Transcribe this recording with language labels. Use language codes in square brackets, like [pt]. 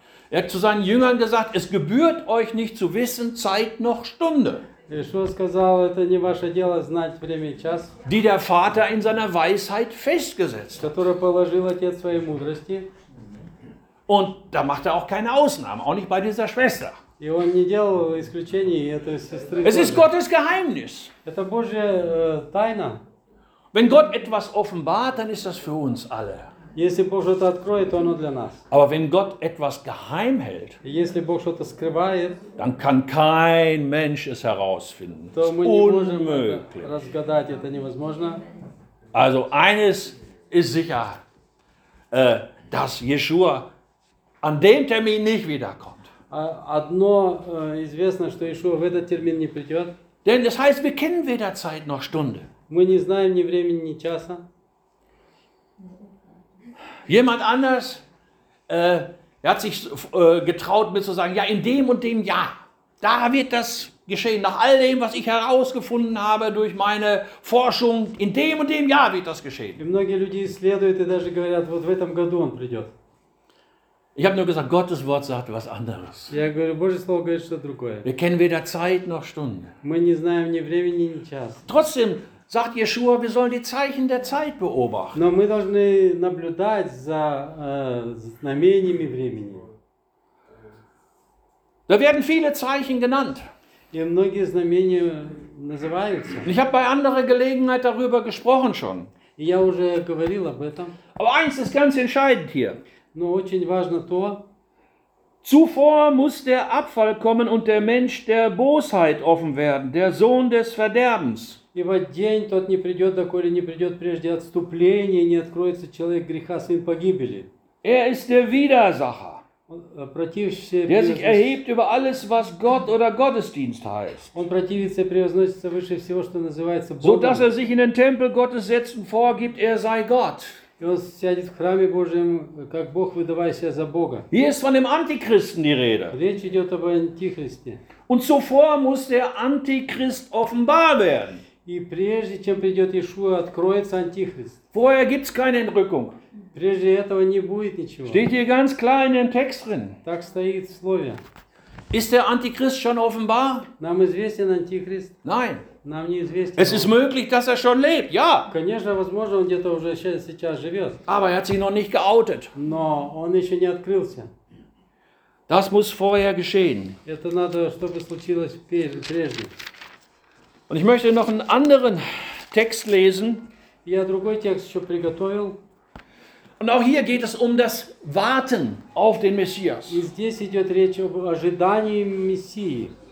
[de] Er hat zu seinen Jüngern gesagt: Es gebührt euch nicht zu wissen, Zeit noch Stunde. [ru] Jesus сказал: Это не ваше дело знать время и час. [de] Die der Vater in seiner Weisheit festgesetzt hat. [ru] Которую положил отец своей мудрости. [de] Und da macht er auch keine Ausnahme, auch nicht bei dieser Schwester. [ru] И он не делал исключений этой сестры. [de] Es ist Gottes Geheimnis. [ru] Это Божья тайна. [de] Wenn Gott etwas offenbart, dann ist das für uns alle. [ru] Если Бог что-то откроет, то оно для нас. [de] Aber wenn Gott etwas geheim hält, [ru] если Бог что-то скрывает, [de] dann kann kein Mensch es herausfinden. [ru] То мы не можем разгадать, это невозможно. [de] Also eines ist sicher, dass Yeshua an dem Termin nicht wiederkommt. [ru] Одно известно, что Иешуа в этот термин не придет. [de] Denn das heißt, wir kennen weder Zeit noch Stunde. [ru] Мы не знаем ни времени, ни часа. [de] Jemand anders hat sich getraut, mir zu sagen: Ja, in dem und dem Jahr, da wird das geschehen. Nach all dem, was ich herausgefunden habe durch meine Forschung, in dem und dem Jahr wird das geschehen. [ru] И многие люди исследуют и даже говорят: вот в этом году он придет. [de] Ich habe nur gesagt: Gottes Wort sagt was anderes. [ru] Я говорю: Божье слово говорит что-то другое. [de] Wir kennen weder Zeit noch Stunde. [ru] Мы не знаем ни времени, ни часа. [de] Trotzdem sagt Yeshua, wir sollen die Zeichen der Zeit beobachten. [ru] Но мы должны наблюдать за знамениями времени. [de] Da werden viele Zeichen genannt. [ru] И многие знамения называются. [de] Ich habe bei anderer Gelegenheit darüber gesprochen schon. [ru] Я уже говорил об этом. [de] Aber eins ist ganz entscheidend hier. [ru] Но очень важно то. [de] Zuvor muss der Abfall kommen und der Mensch der Bosheit offen werden, der Sohn des Verderbens. [ru] Ибо день тот не придет, доколе не придет прежде отступление, не откроется человек греха, сын погибели. [de] Er ist der Widersacher, der sich erhebt über alles, was Gott oder Gottesdienst heißt. [ru] Он противится, превозносится выше всего, что называется Богом. [de] So dass er sich in den Tempel Gottes setzt und vorgibt, er sei Gott. [ru] И он сядет в храме Божьем, как Бог, выдавая себя за Бога. [de] Hier ist von dem Antichristen die Rede. [ru] Речь идет об Антихристе. [de] Und zuvor muss der Antichrist offenbar werden. [ru] И прежде чем придет Иешуа, откроется Антихрист. [de] Vorher gibt's keine Entrückung. [ru] Прежде этого не будет ничего. [de] Steht hier ganz klar in dem Text drin. [ru] Так стоит в слове. [de] Ist der Antichrist schon offenbar? [ru] Нам известен Антихрист? [de] Nein. [ru] Нам неизвестен. [de] Es ist möglich, dass er schon lebt. Ja. [ru] Конечно, возможно, он где-то уже сейчас живет. [de] Aber er hat sich noch nicht geoutet. [ru] Но он еще не открылся. [de] Das muss vorher geschehen. [ru] Это надо, чтобы случилось прежде. [de] Und ich möchte noch einen anderen Text lesen. [ru] Я другой текст еще приготовил. [de] Und auch hier geht es um das Warten auf den Messias. [ru] И здесь идет речь об ожидании Мессии.